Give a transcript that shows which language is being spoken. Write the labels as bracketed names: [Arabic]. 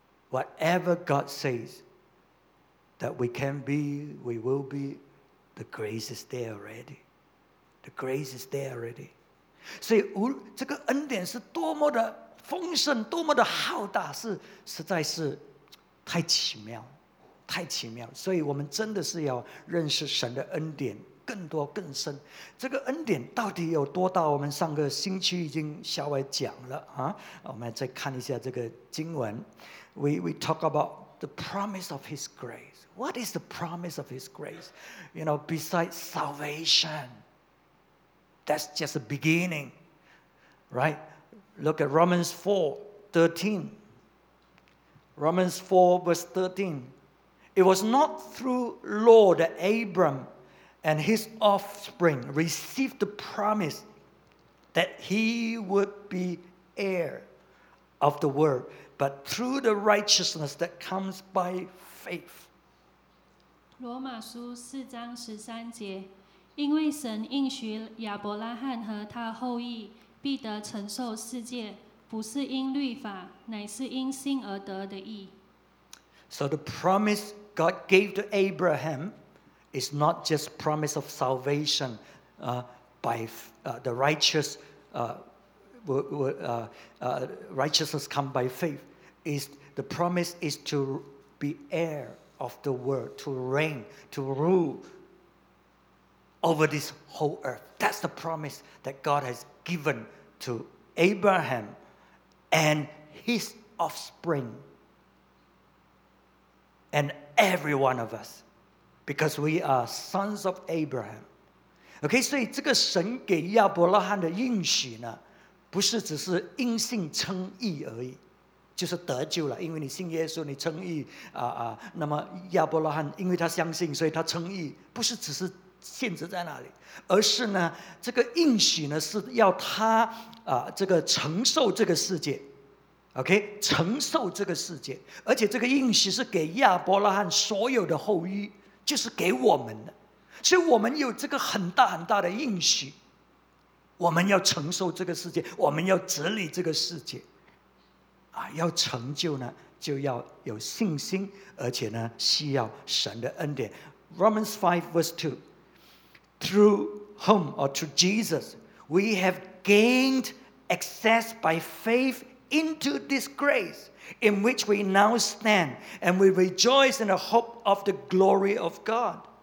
[English] Whatever God says that we can be, we will be, the grace is there already. The grace is there already. [Chinese] 所以这个恩典是多么的丰盛，多么的浩大，实在是太奇妙，太奇妙。所以我们真的是要认识神的恩典更多更深。这个恩典到底有多大？我们上个星期已经稍微讲了啊，我们再看一下这个经文。 [English] We talk about the promise of His grace. What is the promise of His grace? You know, besides salvation. That's just the beginning, right? Look at Romans 4, 13. Romans 4, verse 13. It was not through law that Abram and his offspring received the promise that he would be heir of the world, but through the righteousness that comes by faith. [Chinese] 罗马书四章十三节，因为神应许亚伯拉罕和他后裔必得承受世界，不是因律法，乃是因信而得的义。 [English] So the promise God gave to Abraham is not just promise of salvation, righteousness come by faith. Is the promise is to be heir of the world, to reign, to rule over this whole earth. That's the promise that God has given to Abraham and his offspring and every one of us, because we are sons of Abraham. Okay, so this [Chinese] 神给亚伯拉罕的应许呢，不是只是因信称义而已，就是得救了。因为你信耶稣，你称义那么亚伯拉罕因为他相信，所以他称义，不是只是限制在那里，而是呢，这个应许呢是要他这个承受这个世界。 OK， 承受这个世界，而且这个应许是给亚伯拉罕所有的后裔，就是给我们的，所以我们有这个很大很大的应许，我们要承受这个世界，我们要治理这个世界，要成就呢，就要有信心，而且呢，需要神的恩典。 [English] Romans 5 verse 2 Through whom or through Jesus we have gained access by faithinto this grace in which we now stand, and we rejoice in the hope of the glory of God.